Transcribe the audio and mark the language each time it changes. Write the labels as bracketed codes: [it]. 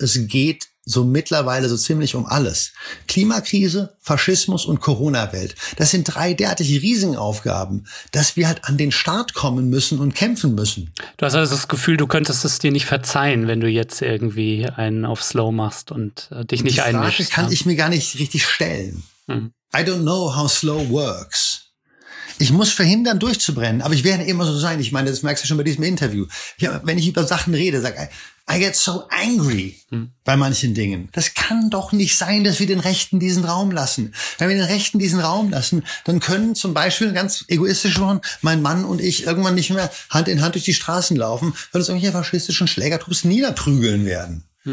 [de] Es geht so mittlerweile so ziemlich um alles. Klimakrise, Faschismus und Corona-Welt. Das sind drei derartige Riesenaufgaben, dass wir halt an den Start kommen müssen und kämpfen müssen. Du hast also das Gefühl, du könntest es dir nicht verzeihen, wenn du jetzt irgendwie einen auf Slow machst und dich nicht einmischst. Die Frage kann ich mir gar nicht richtig stellen. [en] I don't know how slow works. [de] Ich muss verhindern, durchzubrennen, aber ich werde immer so sein. Ich meine, das merkst du schon bei diesem Interview. Ja, wenn ich über Sachen rede, sage ich, [en] I get so angry [de] bei manchen Dingen. Das kann doch nicht sein, dass wir den Rechten diesen Raum lassen. Wenn wir den Rechten diesen Raum lassen, dann können zum Beispiel, ganz egoistisch schon, mein Mann und ich irgendwann nicht mehr Hand in Hand durch die Straßen laufen, weil uns irgendwelche faschistischen Schlägertrupps niederprügeln werden.